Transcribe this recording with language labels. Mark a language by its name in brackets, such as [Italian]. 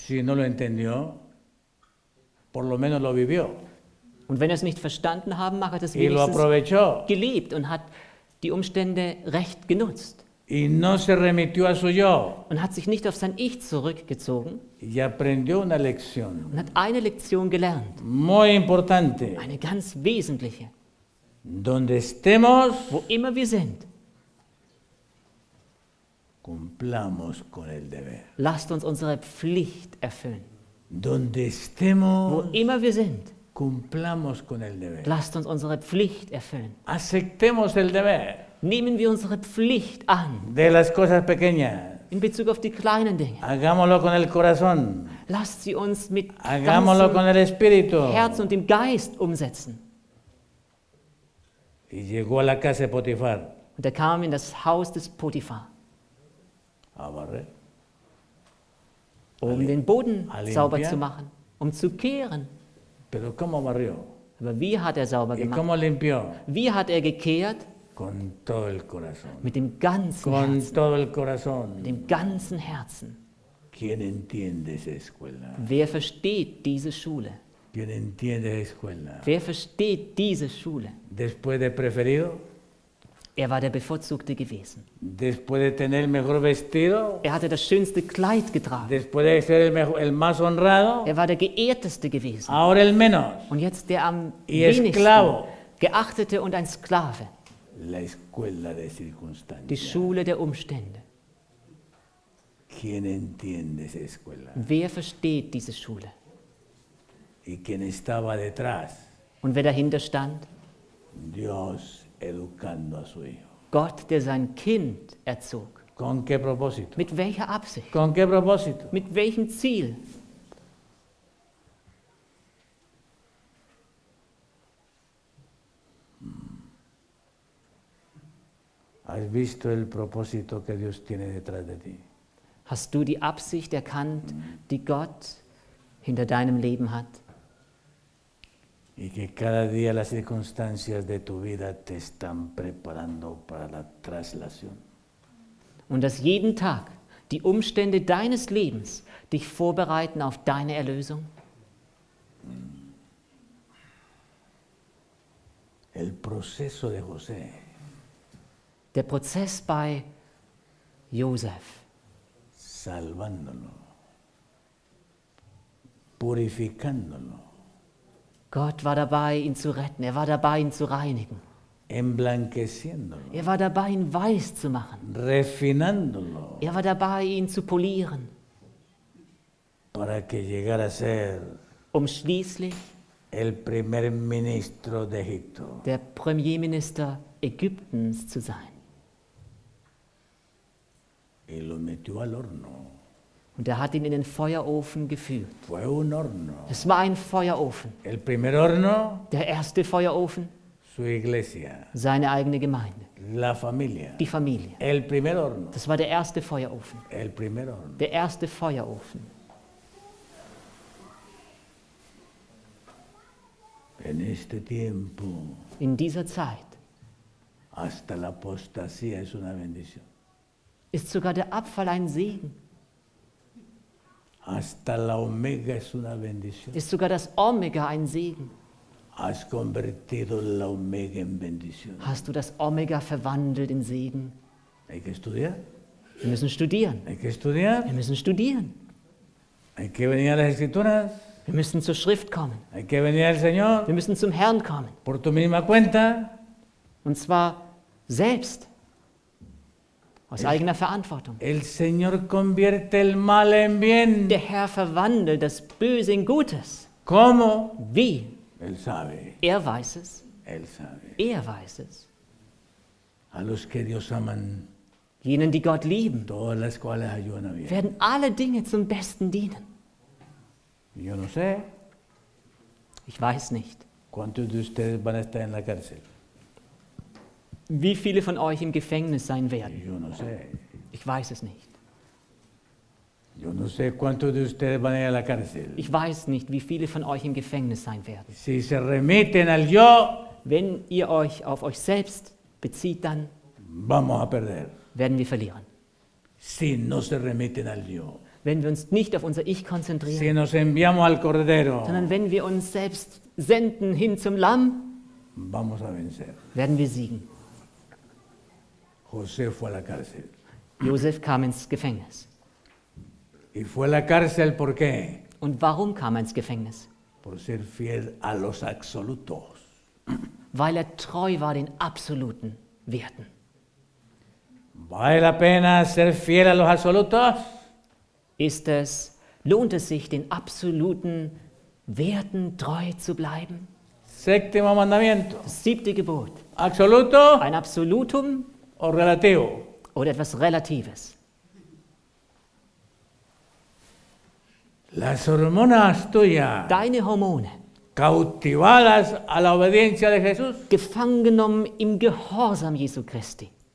[Spanish] Si no lo entendió, por lo menos lo vivió. [German] Und wenn er es nicht verstanden haben mag, hat es wenigstens [Spanish] lo aprovechó. [German] Gelebt und hat die Umstände recht genutzt. [Spanish] Y no se remitió a su yo. [German] Und hat sich nicht auf sein Ich zurückgezogen. [Spanish] Y aprendió una lección. [German] Und hat eine Lektion gelernt. [Spanish] Muy importante. [German] Eine ganz wesentliche. [Spanish] Donde estemos, [German] wo immer wir sind, [Spanish] cumplamos con el deber. [German] Lasst uns unsere Pflicht erfüllen. [Spanish] Donde estemos, [German] wo immer wir sind, [Spanish] cumplamos con el deber. [German] Lasst uns unsere Pflicht erfüllen. [Spanish] Aceptemos el deber. [German] Nehmen wir unsere Pflicht an. [Spanish] De las cosas pequeñas. [German] In Bezug auf die kleinen Dinge. [Spanish] Hagámoslo con el corazón. [German] Lasst sie uns mit [Spanish] Hagámoslo [German] ganzem [Spanish] con el espíritu. [German] Herz und dem Geist umsetzen. [Spanish] Y llegó a la casa de Potifar. [German] Und er kam in das Haus des Potiphar. [Spanish] A barrer. [German] Um den Boden sauber zu machen. Um zu kehren. [Spanish] Pero cómo barrió. [German] Aber wie hat er sauber gemacht? [Spanish] Y cómo limpió. [German] Wie hat er gekehrt? [Spanish] Con todo el corazón. [German] Mit dem ganzen [Spanish] Con [German] Herzen. [Spanish] Todo el corazón. [German] Mit dem ganzen Herzen. [Spanish] ¿Quién entiende esa escuela? [German] Wer versteht diese Schule? [Spanish] ¿Quién entiende esa escuela? [German] Wer versteht diese Schule? [Spanish] Después de preferido? [German] Er war der Bevorzugte gewesen. [Spanish] Después de tener el mejor vestido, [German] er hatte das schönste Kleid getragen. [Spanish] Después de ser el mejor, el más honrado, [German] er war der Geehrteste gewesen. [Spanish] Ahora el menos. [German] Und jetzt der am wenigsten [Spanish] esclavo. [German] Geachtete und ein Sklave. [Spanish] La escuela de circunstancias. [German] Die Schule der Umstände. [Spanish] ¿Quién entiende esa escuela? [German] Wer versteht diese Schule? [Spanish] Y quien estaba detrás, [German] und wer dahinter stand? [Spanish] Dios educando a su hijo. [German] Gott, der sein Kind erzog. [Spanish] ¿Con qué propósito? [German] Mit welcher Absicht? [Spanish] ¿Con qué propósito? [German] Mit welchem Ziel? [Spanish] ¿Has visto el propósito que Dios tiene detrás de ti? [German] Hast du die Absicht erkannt, die Gott hinter deinem Leben hat? [Spanish] Y que cada día las circunstancias de tu vida te están preparando para la traslación. [German] Und dass jeden Tag die Umstände deines Lebens dich vorbereiten auf deine Erlösung? [Spanish] El proceso de José. [German] Der Prozess bei Josef. [Spanish] Salvándolo. Purificándolo. [German] Gott war dabei, ihn zu retten. Er war dabei, ihn zu reinigen. [Spanish] Emblanqueciéndolo. [German] Er war dabei, ihn weiß zu machen. [Spanish] Refinándolo. [German] Er war dabei, ihn zu polieren. [Spanish] Para que llegara a ser, [German] um schließlich, [Spanish] el primer ministro de Egipto. [German] Der Premierminister Ägyptens zu sein. [Spanish] Y lo metió al horno. [German] Und er hat ihn in den Feuerofen geführt. [Spanish] Fue un horno. [German] Es war ein Feuerofen. [Spanish] El primer horno, [German] der erste Feuerofen. [Spanish] Su iglesia, [German] seine eigene Gemeinde. [Spanish] La familia, [German] die Familie. [Spanish] El primer horno, [German] das war der erste Feuerofen. [Spanish] El primer horno. [German] Der erste Feuerofen. [Spanish] En este tiempo, [German] in dieser Zeit. [Spanish] Hasta la apostasía es una bendición. [German] Ist sogar der Abfall ein Segen. [Spanish] Hasta la Omega es una bendición. [German] Ist sogar das Omega ein Segen. [Spanish] Has convertido la Omega en bendición. [German] Hast du das Omega verwandelt in Segen? [Spanish] Hay que estudiar. [German] Wir müssen studieren. [Spanish] Hay que estudiar. [German] Wir müssen studieren. [Spanish] Hay que venir a las Escrituras. [German] Wir müssen zur Schrift kommen. [Spanish] Hay que venir al Señor. [German] Wir müssen zum Herrn kommen. [Spanish] Por tu misma cuenta. [German] Und zwar selbst. Aus eigener Verantwortung. [Spanish] El Señor convierte el mal en bien. [German] Der Herr verwandelt das Böse in Gutes. [Spanish] ¿Cómo? [German] Wie? [Spanish] Él sabe. [German] Er weiß es. [Spanish] Él sabe. [German] Er weiß es. [Spanish] A los que Dios aman, [German] jenen, die Gott lieben, [Spanish] todas las cuales ayudan a bien, [German] werden alle Dinge zum Besten dienen. [Spanish] Yo no sé. [German] Ich weiß nicht. [Spanish] ¿Cuántos de ustedes van a estar en la cárcel? [German] Wie viele von euch im Gefängnis sein werden? [Spanish] Yo no sé. [German] Ich weiß es nicht. [Spanish] Yo no sé cuántos de ustedes van a ir a la cárcel. [German] Ich weiß nicht, wie viele von euch im Gefängnis sein werden. [Spanish] Si se remiten al yo, [German] wenn ihr euch auf euch selbst bezieht, dann [Spanish] vamos a perder. [German] Werden wir verlieren. [Spanish] Si no se remiten al yo, [German] wenn wir uns nicht auf unser Ich konzentrieren, [Spanish] si nos enviamos al cordero, [German] sondern wenn wir uns selbst senden hin zum Lamm, [Spanish] vamos a vencer. [German] Werden wir siegen. [Spanish] José fue a la cárcel. [German] Josef kam ins Gefängnis. [Spanish] Y fue a la cárcel, ¿por qué? [German] Und warum kam er ins Gefängnis? [Spanish] Por ser fiel a los absolutos. [German] Weil er treu war den absoluten Werten. [Spanish] ¿Vale la pena ser fiel a los absolutos? [German] Ist es, lohnt es sich, den absoluten Werten treu zu bleiben? [Spanish] Séptimo mandamiento. [German] Siebte Gebot. [Spanish] Absoluto. [German] Ein Absolutum. [Spanish] O relativo. [German] Oder etwas Relatives. [Spanish] Las hormonas tuyas, [German] deine Hormone, [Spanish] cautivadas a la obediencia de Jesús, [German] gefangen genommen im Gehorsam Jesu Christi.